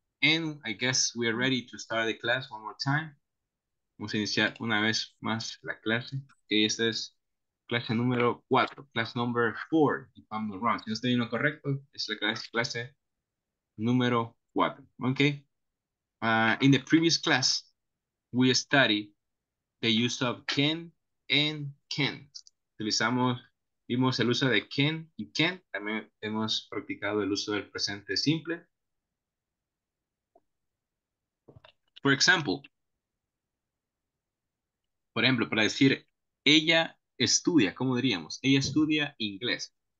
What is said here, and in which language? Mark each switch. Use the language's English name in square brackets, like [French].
[English] And I guess we are ready to start the class one more time. [Spanish] Vamos a iniciar una vez más la clase. Okay, esta es clase número 4, [English] class number 4, if I'm not wrong. [Spanish] Si no estoy en lo correcto, es la clase número 4, okay? [English] In the previous class, we studied the use of can and can't. [Spanish] Vimos el uso de can y can't. También hemos practicado el uso del presente simple. Por ejemplo, para decir, ella estudia, ¿cómo diríamos? Ella estudia inglés.